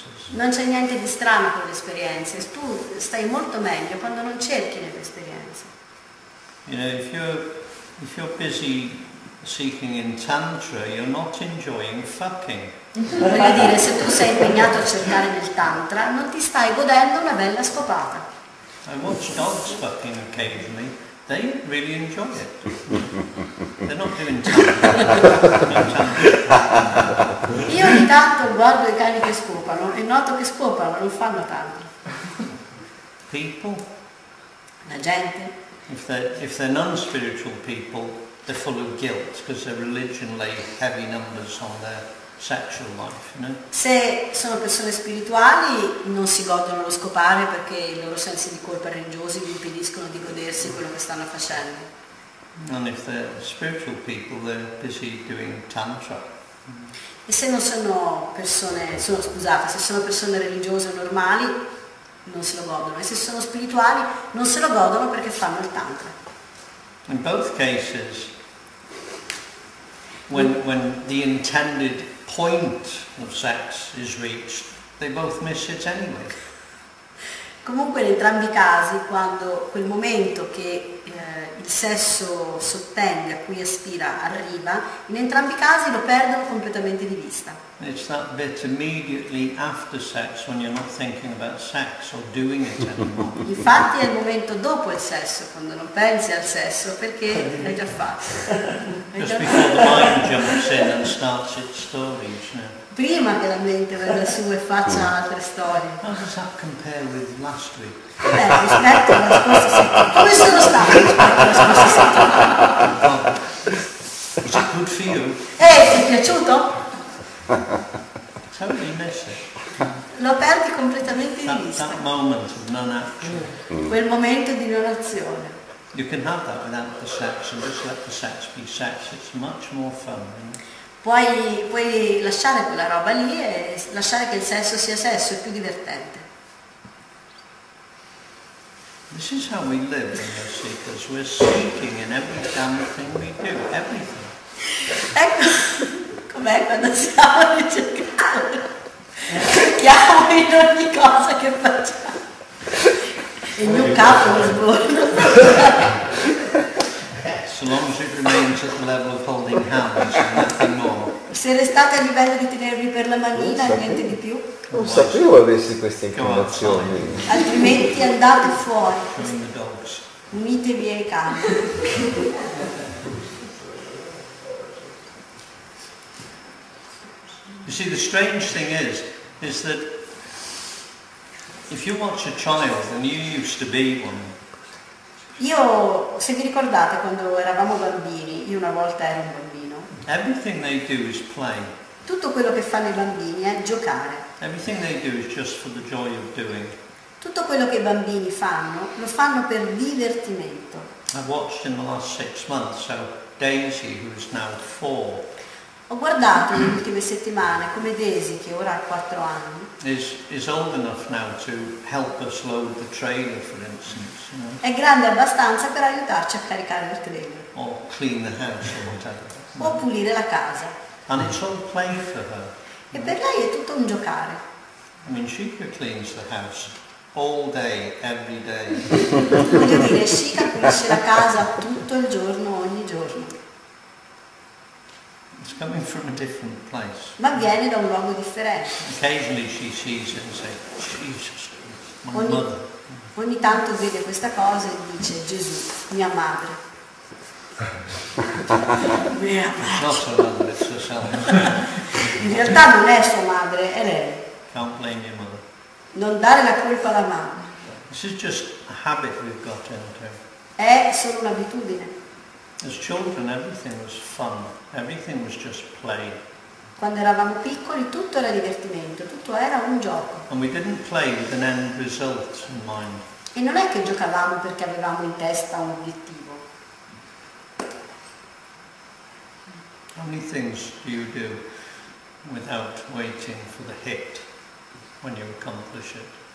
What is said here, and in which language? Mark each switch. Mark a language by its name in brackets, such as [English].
[Italian] Non c'è niente di strano con le esperienze, tu stai molto meglio quando non cerchi nelle esperienze. [English] You know, if you're busy seeking in tantra, you're not enjoying fucking. [Italian] Voglio dire, se tu sei impegnato a cercare nel tantra, non ti stai godendo una bella scopata. [English] I watch dogs fucking occasionally. They really enjoy it. They're not doing tantra. [Italian] Io ogni tanto guardo i cani che scopano e noto che scopano, non fanno tanto. [English] People. [Italian] La gente. [English] If they're non-spiritual people, they're full of guilt because their religion lay heavy numbers on their sexual life, you know? [Italian] Se sono persone spirituali non si godono lo scopare perché i loro sensi di colpa religiosi gli impediscono di godersi quello che stanno facendo. [English] And if they're spiritual people, they're busy doing tantra. [Italian] E se non sono persone religiose normali non se lo godono, e se sono spirituali non se lo godono perché fanno il tantra. [English] In both cases, when the intended point of sex is reached, they both miss it anyway. [Italian] Comunque in entrambi i casi, quando quel momento che il sesso sottende, a cui aspira, arriva, in entrambi i casi lo perdono completamente di vista. [English] It's that bit immediately after sex when you're not thinking about sex or doing it anymore. [Italian] Infatti è il momento dopo il sesso, quando non pensi al sesso, perché l'hai già fatto. [English] Just before the mind jumps in and starts its stories, you know. [Italian] Prima che la mente venga su e faccia altre storie. [English] How does that compare with last week? [Italian] Rispetto alla scorsa settimana. Come sono stato rispetto alla scorsa settimana? [English] Was it good for you? [Italian] Ti è piaciuto? [English] Totally miss it. [Italian] Lo perdi completamente [English] that, [Italian] di vista. [English] That moment of non-action. [Italian] Quel momento di non azione. [English] You can have that without the sex, and just let the sex be sex. It's much more fun. [Italian] Puoi lasciare quella roba lì e lasciare che il sesso sia sesso, è più divertente. [English] This is how we live in the seekers. We're seeking in every damn thing we do, everything. [Italian] Ecco com'è quando siamo a cercare. Cerchiamo in ogni cosa che facciamo. Il mio capo lo sbordo. [English] As long as it remains at the level of holding hands and nothing more. [Italian] Se restate a livello di tenervi per la manina, niente di più. Non sapevo avessi queste informazioni. Altrimenti andate fuori. [English] Join the dogs. [Italian] Unitevi ai cani. [English] You see, the strange thing is that if you watch a child, and you used to be one. [Italian] Io, se vi ricordate quando eravamo bambini, io una volta ero un bambino. [English] Everything they do is play. [Italian] Tutto quello che fanno i bambini è giocare. [English] Everything they do is just for the joy of doing. [Italian] Tutto quello che i bambini fanno lo fanno per divertimento. [English] I've watched in the last 6 months, so Daisy, who is now 4. [Italian] Ho guardato le ultime settimane come Daisy, che ora ha 4 anni. [English] Is old enough now to help us load the trailer, for instance. You know? [Italian] È grande abbastanza per aiutarci a caricare il trailer. [English] Or clean the house or whatever. [Italian] O pulire la casa. [English] And it's all play for her. [Italian] E per lei è tutto un giocare. [English] I mean, Shika cleans the house all day, every day. [Italian] Voglio dire, Shika pulisce la casa tutto il giorno, ogni giorno. [English] It's coming from a different place. [Italian] Ma viene da un luogo differente. [English] Occasionally she sees it and says, Jesus, my mother. [Italian] Ogni tanto vede questa cosa e dice, Gesù, mia madre. Mia madre. [English] It's not her mother, it's herself. [Italian] In realtà non è sua madre, è lei. [English] Can't blame your mother. [Italian] Non dare la colpa alla mamma. [English] This is just a habit we've got into. [Italian] È solo un'abitudine. [English] As children, everything was fun. Everything was just play. [Italian] Quando eravamo piccoli, tutto era divertimento, tutto era un gioco. [English] And we didn't play with an end result in mind. [Italian] E non è che giocavamo perché avevamo in testa un obiettivo. [English] How many things do you do without waiting for the hit when you accomplish it?